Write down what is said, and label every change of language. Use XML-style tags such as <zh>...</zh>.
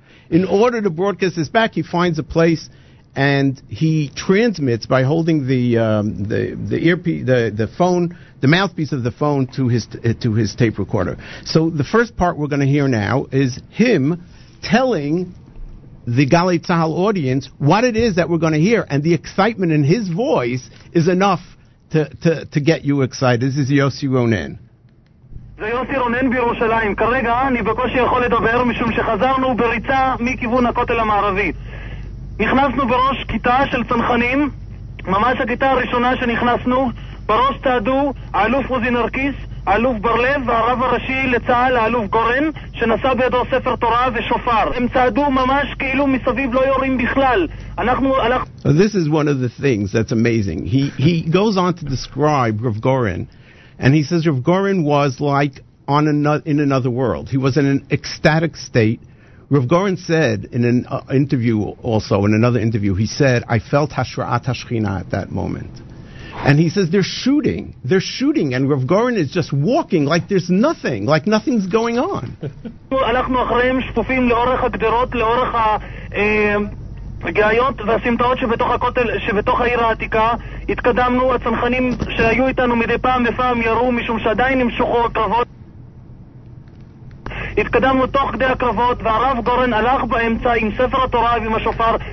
<en>In order to broadcast this back, he finds a place and he transmits by holding the mouthpiece of the phone to his tape recorder. So the first part we're going to hear now is him telling the Galei Tzahal audience what it is that we're going to hear, and the excitement in his voice is enough to get you excited. This is Yossi Ronen.</en> <he>זה יוסי רונן בירושלים. כרגע אני בקושי יכול לדבר משום שחזרנו בריצה מכיוון הכותל המערבי. נכנסנו בראש כיתה של צנחנים, ממש הכיתה הראשונה שנכנסנו, בראש תעדו אלוף עוזי נרקיס, אלוף ברלב והרב הראשי לצהל אלוף גורן, שנשא בידו ספר תורה ושופר. הם צעדו ממש כאילו מסביב לא יורים בכלל.</he> <en>This is one of the things that's amazing. He goes on to describe Rav Goren. And he says Rav Goren was like in another world. He was in an ecstatic state. Rav Goren said in an interview also, in another interview, he said, I felt Hashra'at HaShchina at that moment. And he says, they're shooting. And Rav Goren is just walking like there's nothing, like nothing's going on.</en> <he>הגאיות והסמטאות שבתוך הכותל, שבתוך העיר העתיקה, התקדמנו, הצנחנים שהיו איתנו מדי פעם ופעם ירו, משום שעדיין נמשכו הקרבות. התקדמנו תוך כדי הקרבות, והרב גורן הלך באמצע עם ספר התורה ועם השופר,</he>